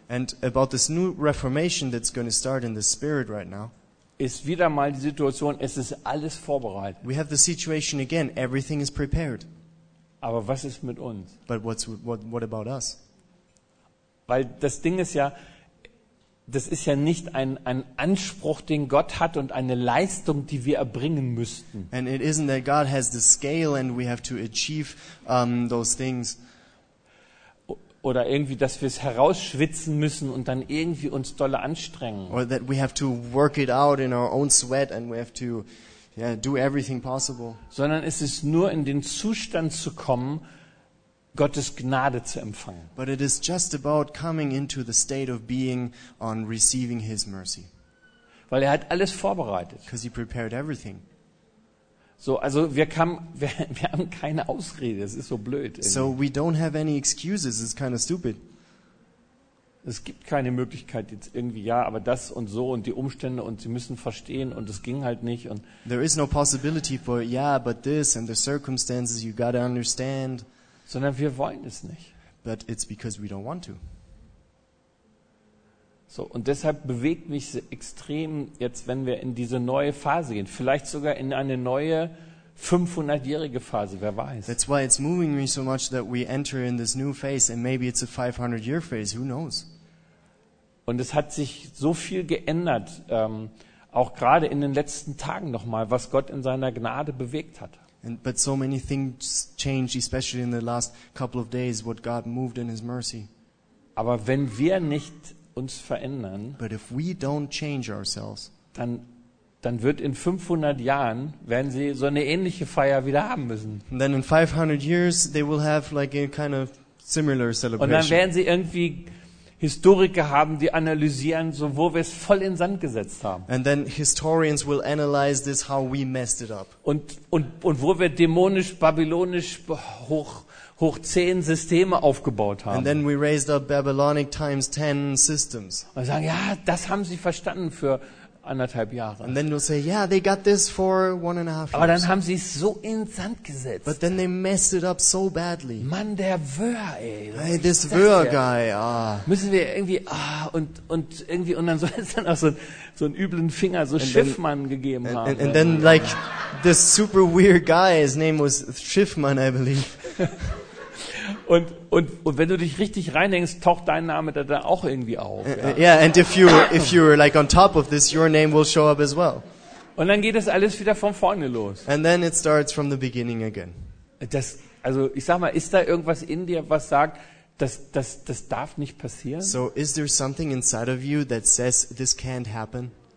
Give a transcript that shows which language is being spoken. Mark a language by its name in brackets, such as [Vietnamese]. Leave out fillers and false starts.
[English] And about this new reformation that's going to start in the spirit right now. [German] Ist wieder mal die Situation, es ist alles vorbereitet. [English] We have the situation again, everything is prepared. [German] Aber was ist mit uns? [English] But what about us? [German] Weil das Ding ist ja, das ist ja nicht ein Anspruch, den Gott hat und eine Leistung, die wir erbringen müssten. [English] And it isn't that God has the scale and we have to achieve those things. [German] Oder irgendwie, dass wir es herausschwitzen müssen und dann irgendwie uns dolle anstrengen. [English] Or that we have to work it out in our own sweat and we have to do everything possible. [German] Sondern es ist nur in den Zustand zu kommen, Gottes Gnade zu empfangen. [English] But it is just about coming into the state of being on receiving his mercy. [German] Weil er hat alles vorbereitet. [English] Because he prepared everything. [German] So, also wir haben keine Ausrede, es ist so blöd. Irgendwie. [English] So we don't have any excuses, it's kind of stupid. [German] Es gibt keine Möglichkeit jetzt irgendwie, aber das und so und die Umstände und sie müssen verstehen und es ging halt nicht. Und [English] there is no possibility for, but this and the circumstances, you gotta understand. [German] Sondern wir wollen es nicht. [English] But it's because we don't want to. [German] So, und deshalb bewegt mich extrem jetzt, wenn wir in diese neue Phase gehen, vielleicht sogar in eine neue 500-jährige Phase, wer weiß. [English] That's why it's moving me so much that we enter in this new phase and maybe it's a 500-year phase, who knows. [German] Und es hat sich so viel geändert, auch gerade in den letzten Tagen nochmal, was Gott in seiner Gnade bewegt hat. [English] But so many things changed, especially in the last couple of days, what God moved in his mercy. [German] Aber wenn wir nicht uns verändern, [English] but if we don't change ourselves, [German] dann wird in 500 Jahren werden sie so eine ähnliche Feier wieder haben müssen. [English] And then in 500 years they will have like a kind of similar celebration. [German] Und dann werden sie irgendwie Historiker haben, die analysieren, so wo wir es voll in Sand gesetzt haben. [English] And then historians will analyze this, how we messed it up. [German] Und wo wir dämonisch, babylonisch hoch 10 Systeme aufgebaut haben. [English] And then we raised up Babylonic times 10 systems. [German] Und sagen, ja, das haben sie verstanden für anderthalb Jahre. [English] And then you'll say, yeah, they got this for 1.5 years. [German] Aber dann haben sie es so in Sand gesetzt. [English] But then they messed it up so badly. [German] Mann, der Wöhr, ey. [English] Hey, this Wöhr guy, ah. [German] Müssen wir irgendwie, und dann soll es dann auch so einen üblen Finger, so Schiffmann gegeben haben. [English] And then, like, this super weird guy, his name was Schiffmann, I believe. [German] Und wenn du dich richtig reinhängst, taucht dein Name da auch irgendwie auf. [English] Yeah, and if you're like on top of this, your name will show up as well. [German] Und dann geht das alles wieder von vorne los. [English] And then it starts from the beginning again. [German] Das, also ich sag mal, ist da irgendwas in dir, was sagt, das darf nicht passieren? [English] So is there something inside of you that says this can't happen?